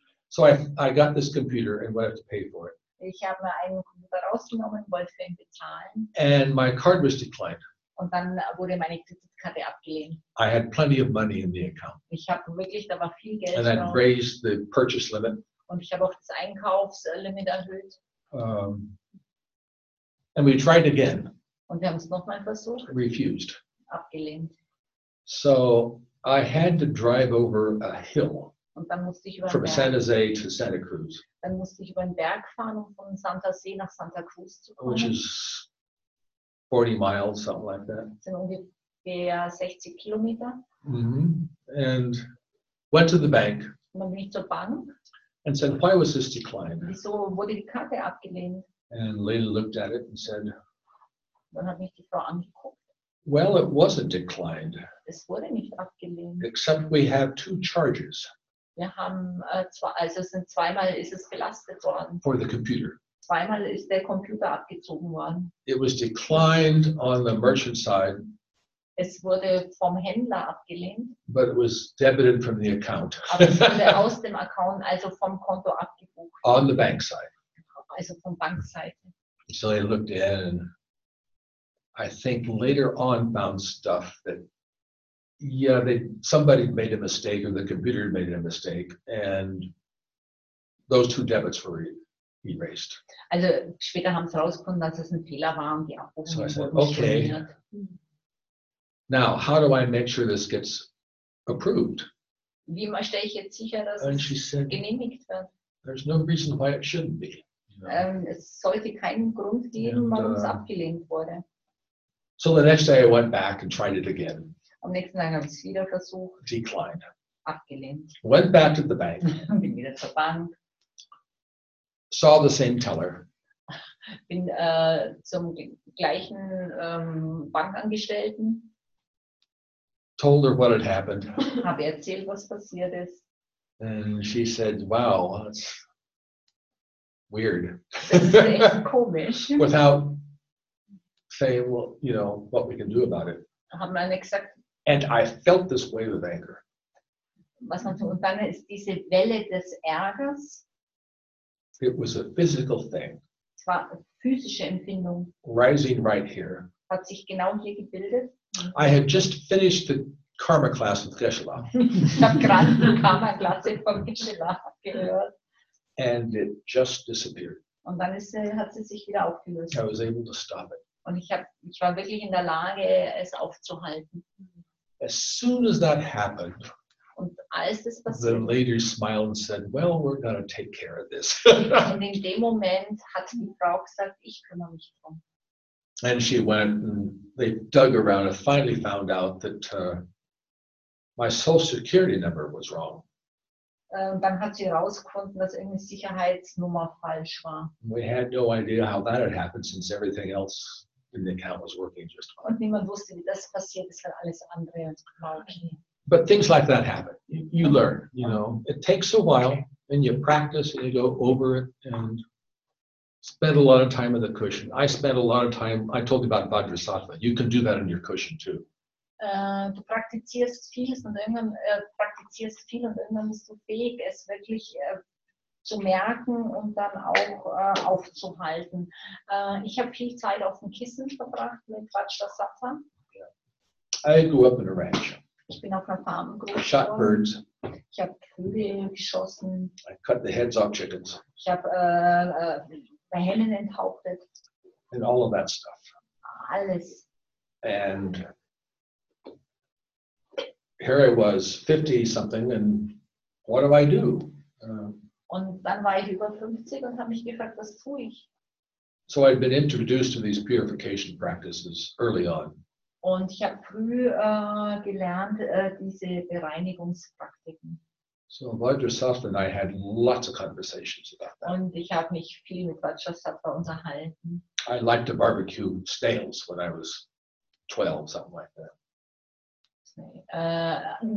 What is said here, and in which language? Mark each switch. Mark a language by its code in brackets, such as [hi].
[en] So I got this computer and went up to pay for it. [de] Ich habe mir einen Computer rausgenommen, wollte für ihn bezahlen. [en] And my card was declined. [de] Und dann wurde meine Kreditkarte abgelehnt. [en] I had plenty of money in the account. [de] Ich habe wirklich, da war viel Geld. [en] And I raised the purchase limit. [de] Und ich habe auch das Einkaufslimit erhöht. [en] And we tried again. [de] Und wir haben es nochmal versucht. [en] Refused. [de] Abgelehnt. [en] So I had to drive over a hill. [de] Und dann musste ich [en] from San Jose to Santa Cruz. [de] Dann musste ich über den Berg fahren, um von Santa See nach Santa Cruz zu kommen. [en] Which is 40 miles, something like that. [de] Das sind ungefähr 60 Kilometer. [en] Mm-hmm. And went to the bank. [de] Und dann bin ich zur Bank. [en] And said, why was this declined? [de] Wieso wurde die Karte abgelehnt? [en] And Lady looked at it and said, [de] dann hat mich die Frau angeguckt. [en] Well, it wasn't declined. [de] Es wurde nicht abgelehnt. [en] Except we have two charges. [de] Wir haben zweimal ist es belastet worden. [en] For the computer. [de] Zweimal ist der Computer abgezogen worden. [en] It was declined on the merchant side. [de] Es wurde vom Händler abgelehnt. [en] But it was debited from the account. [de] Aber es wurde aus dem Account, also vom Konto abgebucht. [en] On the bank side. [de] Also von Bankseite. [en] So I looked in and I think later on found stuff that somebody made a mistake or the computer made a mistake and those two debits were erased. [de] Also später haben sie rausgefunden, dass es ein Fehler war und die Abbuchung wurde gestorniert. Okay. [en] Now, how do I make sure this gets approved? [de] Wie stelle ich jetzt sicher, dass [en] and es said, [de] genehmigt wird? [en] There's no reason why it shouldn't be. You know? [de] Es sollte keinen Grund geben, warum es abgelehnt wurde. [en] So the next day I went back and tried it again. [de] Am nächsten Tag habe ich es wieder versucht. [en] Declined. [de] Abgelehnt. [en] Went back to the bank. [de] Bin wieder zur Bank. [en] Saw the same teller. [de] Bin zum gleichen Bankangestellten. [en] Told her what had happened. [de] Habe erzählt, was passiert ist. [en] And she said, wow, that's weird. [de] Das ist echt komisch. [en] Without saying, well, you know, what we can do about it. [de] Haben wir nicht gesagt, [en] and I felt this wave of anger. [de] Was man tut, und dann ist diese Welle des Ärgers. [en] It was a physical thing. [de] Es war eine physische Empfindung. [en] Rising right here. [de] Hat sich genau hier gebildet. [en] I had just finished the karma class with Geshe-la. [de] Ich habe gerade die Karma-Klasse von Geshe-la gehört. [en] And it just disappeared. [de] Und dann ist, hat sie sich wieder aufgelöst. [en] I was able to stop it. [de] Und ich war wirklich in der Lage, es aufzuhalten. [en] As soon as that happened, [de] und als das passiert, [en] the lady smiled and said, well, we're going to take care of this. [de] Und in dem Moment hat die Frau gesagt, ich kümmere mich drum. [en] And she went and they dug around and finally found out that my social security number was wrong. [de] Dann hat sie herausgefunden, dass irgendeine Sicherheitsnummer falsch war. [en] We had no idea how that had happened since everything else in the account was working just fine. [de] Und niemand wusste, wie das passiert ist, weil alles andere war okay. [en] But things like that happen. You learn, you know. It takes a while, okay. And you practice, and you go over it, and spend a lot of time in the cushion. I spent a lot of time, I told you about Vajrasattva. You can do that in your cushion, too. [de] Du praktizierst vieles und irgendwann praktizierst viel und irgendwann bist du fähig, es wirklich zu merken und dann auch aufzuhalten. Ich habe viel Zeit auf dem Kissen verbracht mit Vajrasattva. [en] I grew up in a ranch. [de] Ich bin auf einer Farm groß. [en] Shot birds. [de] Ich habe Kühe geschossen. [en] I cut the heads off chickens. [de] Ich habe Hennen enthauptet. [en] And all of that stuff. [de] Alles. [en] And here I was 50 something and what do I do? [de] Und dann war ich über 50 und habe mich gefragt, was tue ich? [en] So I'd been introduced to these purification practices early on. [de] Und ich habe früh gelernt diese Bereinigungspraktiken. [en] So Roger Sattler and I had lots of conversations about that. [de] Und ich habe mich viel mit Roger Sattler unterhalten. [en] I liked to barbecue snails when I was 12, something like that.